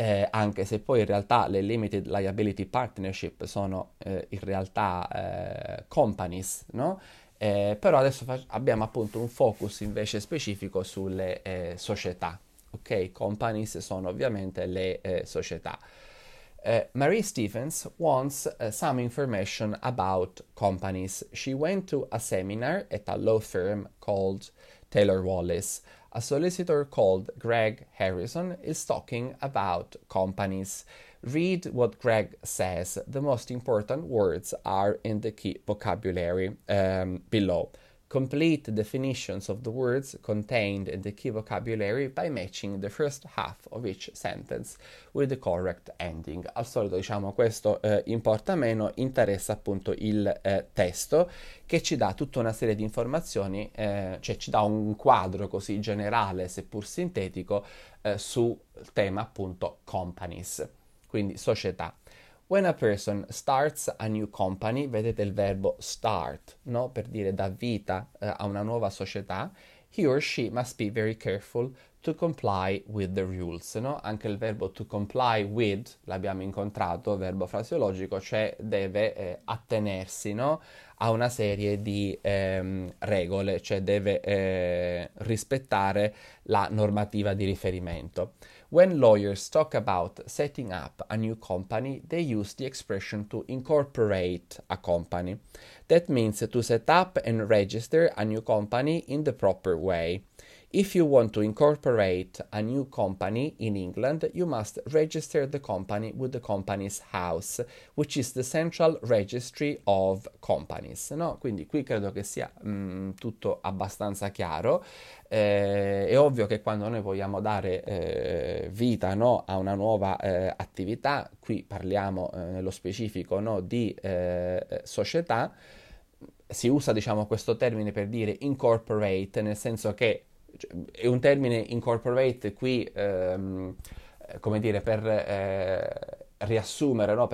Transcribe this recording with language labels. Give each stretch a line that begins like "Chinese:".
Italian: Anche se poi in realtà le limited liability partnership sono in realtà companies, no? Però adesso abbiamo appunto un focus invece specifico sulle società, ok? Companies sono ovviamente le società.
English: Mary Stevens wants some information about companies. She went to a seminar at a law firm called Taylor Wallace. A solicitor called Greg Harrison is talking about companies. Read what Greg says. The most important words are in the key vocabulary below. Complete definitions of the words contained in the key vocabulary by matching the first half of each sentence with the correct ending.
Italian: Al solito, diciamo, questo importa meno, interessa appunto il testo che ci dà tutta una serie di informazioni, cioè ci dà un quadro così generale, seppur sintetico, sul tema appunto companies, quindi società.
English: When a person starts a new company,
Italian: vedete il verbo start, no? Per dire dà vita, a una nuova società,
English: he or she must be very careful to comply with the rules, no?
Italian: Anche il verbo to comply with, l'abbiamo incontrato, verbo fraseologico, cioè deve, attenersi, no? A una serie di, regole, cioè deve, rispettare la normativa di riferimento.
English: When lawyers talk about setting up a new company, they use the expression to incorporate a company. That means to set up and register a new company in the proper way. If you want to incorporate a new company in England, you must register the company with the company's house, which is the central registry of companies. No?
Italian: Quindi qui credo che sia tutto abbastanza chiaro. È ovvio che quando noi vogliamo dare vita, no, a una nuova attività, qui parliamo nello specifico, no, di società, si usa, diciamo, questo termine per dire incorporate, nel senso che è un termine incorporate qui, come dire, per riassumere, no?